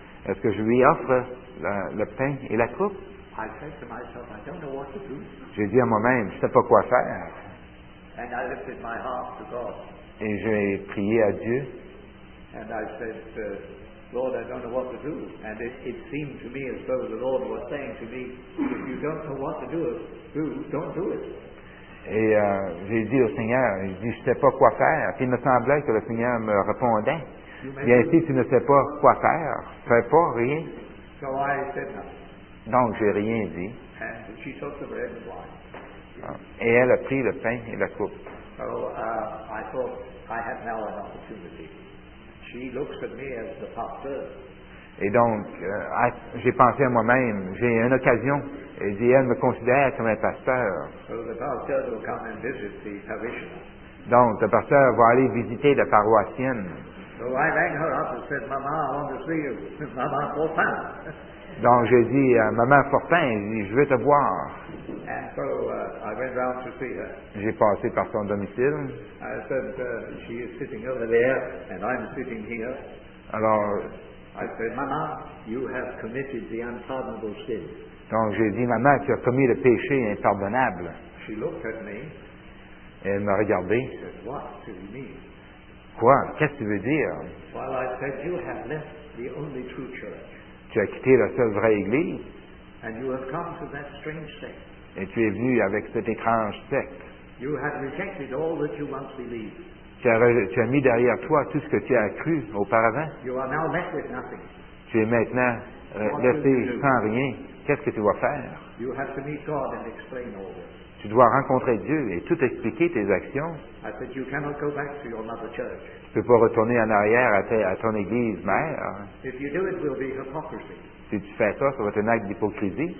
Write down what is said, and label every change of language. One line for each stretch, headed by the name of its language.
French: Est-ce que je lui offre le pain et la coupe?
English: I said to myself, "I don't know what to do."
French: J'ai dit à moi-même, je ne sais pas quoi faire.
English: And I lifted my heart to God.
French: Et j'ai prié à Dieu.
English: And I said, "Lord, I don't know what to do." And it seemed to me as though the Lord was saying to me, "If you don't know what to do, don't do it."
French: Et j'ai dit au Seigneur, je ne sais pas quoi faire. Puis il me semblait que le Seigneur me répondait. Bien, si tu ne sais pas quoi faire, fais pas rien.
English: So I said nothing.
French: Donc, j'ai rien dit.
English: And she took the bread and wine.
French: Et elle a pris le pain et la coupe.
English: So, I thought I had now an opportunity. She looks at me as the pastor.
French: Et donc, j'ai pensé à moi-même, j'ai une occasion. Elle dit, elle me considère comme un pasteur.
English: So the pastor will come and visit the parishioner.
French: Donc, le pasteur va aller visiter la paroissienne.
English: So I rang her up and said, "Mama, I want to see you."
French: Mama Fortin. Donc j'ai dit, "Mama Fortin, je veux te voir."
English: And so I went round to see her.
French: J'ai passé par son domicile.
English: I said, "She is sitting over there and I'm sitting here."
French: Alors,
English: I said, "Mama, you have committed the unpardonable sin."
French: Donc j'ai dit, "Mama, tu as commis le péché impardonnable."
English: She looked at me.
French: Elle m'a regardé.
English: She said, "What do you mean?"
French: Quoi? Qu'est-ce que tu veux dire?
English: Well, I said, "You have left the only true church."
French: Tu as quitté la seule vraie église.
English: And you have come to that strange sect.
French: Et tu es venu avec cette étrange secte.
English: You have rejected all that you once believed.
French: Tu tu as mis derrière toi tout ce que tu as cru auparavant.
English: You are now left with nothing.
French: Tu es maintenant laissé sans rien. Qu'est-ce que tu dois faire?
English: You have to meet God and explain all this.
French: Tu dois rencontrer Dieu et tout expliquer tes actions.
English: I said, you cannot go back to your mother church.
French: Tu ne peux pas retourner en arrière à ton église mère.
English: If you do it, will be hypocrisy.
French: Si tu fais ça, ça va être un acte d'hypocrisie.